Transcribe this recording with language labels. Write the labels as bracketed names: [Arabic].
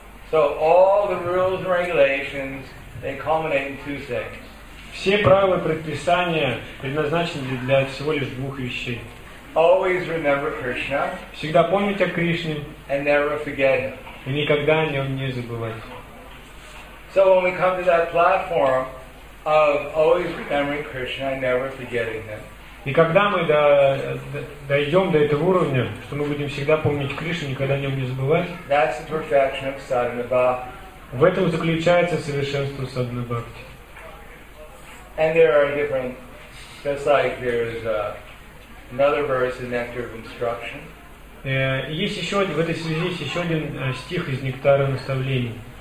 [English] So all the rules and regulations, they culminate in two things. [Russian] Все правила и предписания предназначены для всего лишь двух вещей. [English] Always remember Krishna. [Russian] Всегда помнить о Кришне. [English] And never forget him. [Russian] И никогда о нем не забывать. [English] So when we come to that platform of always remembering Krishna and never forgetting him. [Russian] И когда мы дойдем до этого уровня, что мы будем всегда помнить Кришну, никогда о нем не забывать. [English] That's the perfection of sadhana bhakti. [Russian] В этом заключается совершенство sadhana bhakti. [English] And there are different, just like there's another verse in Nectar of Instruction. [Russian] Есть еще один, в этой связи есть еще один стих из Нектара Наставлений.